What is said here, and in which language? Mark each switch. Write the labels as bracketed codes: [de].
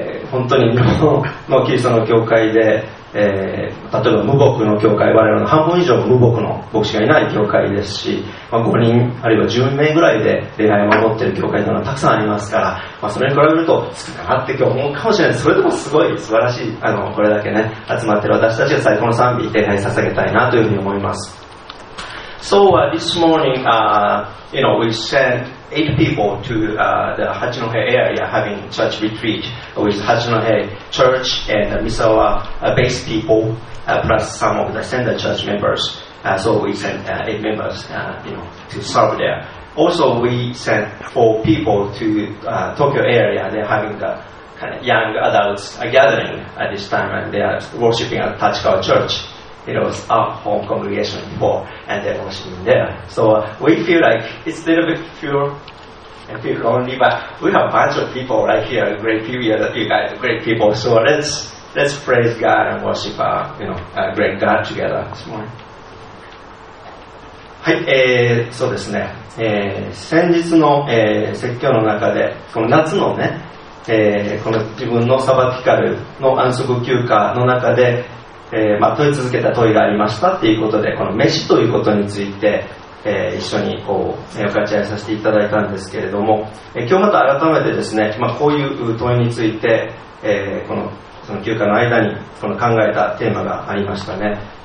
[ja] 本当に日本のキリストの教会で、例えば無牧の教会、我々の半分以上無牧の牧師がいない教会ですし、まあ、5人あるいは10名ぐらいで礼拝を守っている教会というのはたくさんありますから、まあ、それに比べると少なかって今日思うかもしれない。それでもすごい素晴らしい、これだけね集まっている私たちが最高の賛美礼拝捧げたいなというふうに思います。 [en] So、this morning、you know, we sent 8 people to、the Hachinohe area having church retreat with Hachinohe church and Misawa base people、plus some of the Sendai church members、so we sent 8 members、you know, to serve there. Also we sent 4 people to、Tokyo area. They're having the kind of young adults gathering at this time and they are worshipping at Tachikawa churchIt was our home congregation before, and they're worshiping there. So we feel like it's a little bit pure and a bit lonely, but we have a bunch of people right here, great people, you guys, great people. So let's praise God and worship our, you know, our great God together this morning. [ja] はい、そうですね。先日の、説教の中で、この夏のね、この自分のサバティカルの安息休暇の中で、まあ、問い続けた問いがありましたっていうことで、この飯ということについて、一緒にこう分かち合いさせていただいたんですけれども、今日また改めてですね、まあ、こういう問いについて、このその休暇の間にこの考えたテーマがありましたね。